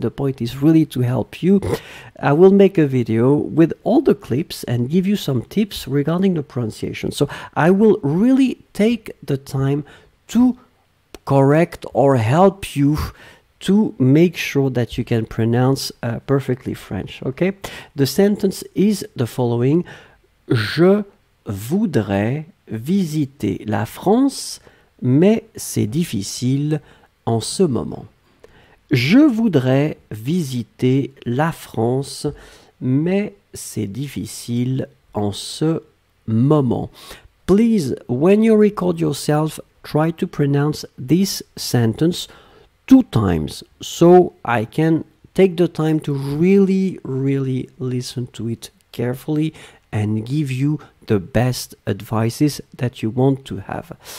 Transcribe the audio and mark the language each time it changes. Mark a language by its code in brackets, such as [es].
[en] The point is really to help you. I will make a video with all the clips and give you some tips regarding the pronunciation. So I will really take the time to correct or help you to make sure that you can pronounce perfectly French, okay? The sentence is the following. [fr] Je voudrais visiter la France, mais c'est difficile en ce moment. Je voudrais visiter la France, mais c'est difficile en ce moment. [en] Please, when you record yourself, try to pronounce this sentence two times so I can take the time to really, really listen to it carefully and give you the best advices that you want to have.